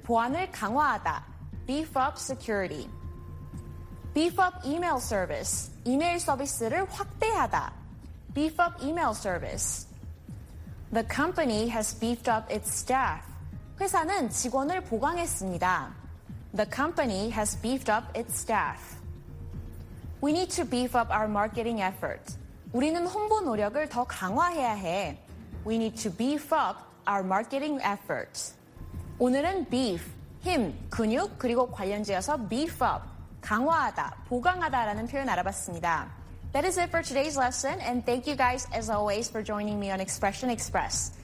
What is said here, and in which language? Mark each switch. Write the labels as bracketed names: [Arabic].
[Korean] 보안을 강화하다. [English] Beef up security. Beef up email service. [Korean] 이메일 서비스를 확대하다. [English] Beef up email service. The company has beefed up its staff. [Korean] 회사는 직원을 보강했습니다. [English] The company has beefed up its staff. We need to beef up our marketing effort. [Korean] 우리는 홍보 노력을 더 강화해야 해. [English] We need to beef up our marketing effort. [Korean] 오늘은 beef, 힘, 근육, 그리고 관련지어서 beef up, 강화하다, 보강하다라는 표현 알아봤습니다. [English] That is it for today's lesson, and thank you guys as always for joining me on Expression Express.